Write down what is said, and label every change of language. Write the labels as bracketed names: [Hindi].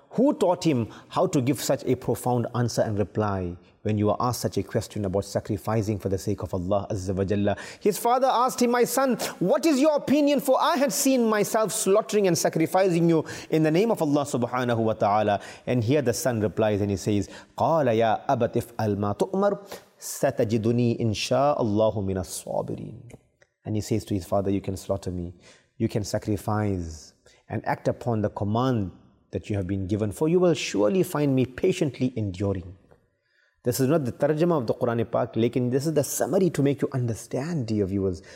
[English] Who taught him how to give such a profound answer and reply when you are asked such a question about sacrificing for the sake of Allah Azza wa Jalla? His father asked him, My son, what is your opinion? For I had seen myself slaughtering and sacrificing you in the name of Allah subhanahu wa ta'ala. And here the son replies and he says, [Arabic] قَالَ يَا أَبَتْ إِفْأَلْ مَا تُؤْمَرْ سَتَجِدُنِي إِنْ شَاءَ اللَّهُ مِنَ الصَّابِرِينَ. [English] And he says to his father, you can slaughter me, you can sacrifice and act upon the command that you have been given, for you will surely find me patiently enduring. This is not the tarjama of the Quran Pak, lekin this is the summary to make you understand, dear viewers.